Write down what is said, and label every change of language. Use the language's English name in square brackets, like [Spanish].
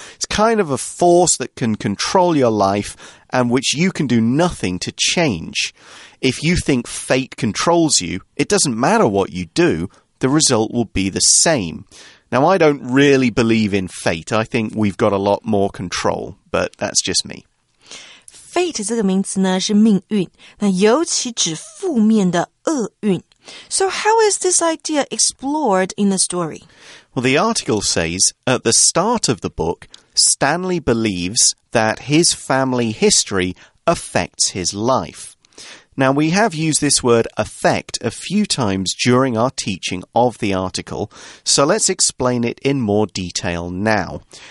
[English] It's kind of a force that can control your life and which you can do nothing to change. If you think fate controls you, it doesn't matter what you do, the result will be the same. Now, I don't really believe in fate. I think we've got a lot more control, but that's just me. [Chinese] Fate 这个名词呢是命运，那尤其指负面的厄运。 [English] So how is this idea explored in the story? Well, the article says, at the start of the book, Stanley believes that his family history affects his life. Now, we have used this word affect a few times during our teaching of the article, so let's explain it in more detail now.